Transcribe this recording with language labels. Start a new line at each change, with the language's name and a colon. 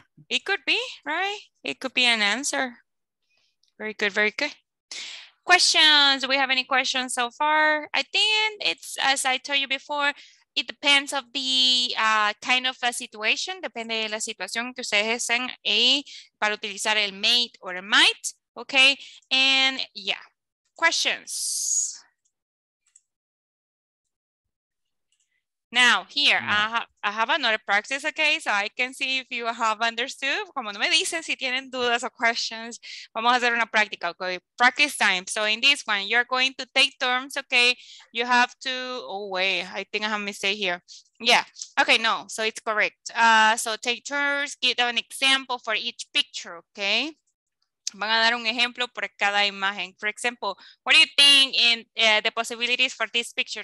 English: It could be, right? It could be an answer. Very good, very good. Questions? Do we have any questions so far? I think it's, as I told you before, it depends of the kind of a situation.
Spanish: Depende de la situación que ustedes estén ahí para utilizar el may or el might.
English: Okay. And yeah. Questions. Now, here, I have another practice, okay? So I can see if you have understood.
Spanish: Como no me dicen, si tienen dudas
English: or questions,
Spanish: vamos a hacer una práctica, okay?
English: Practice time. So in this one, you're going to take terms, okay? You have to, oh wait, I think I have a mistake here. Yeah, okay, no, so it's correct. So take turns, give an example for each picture, okay?
Spanish: Van a dar un ejemplo por cada imagen.
English: For example, what do you think in the possibilities for this picture?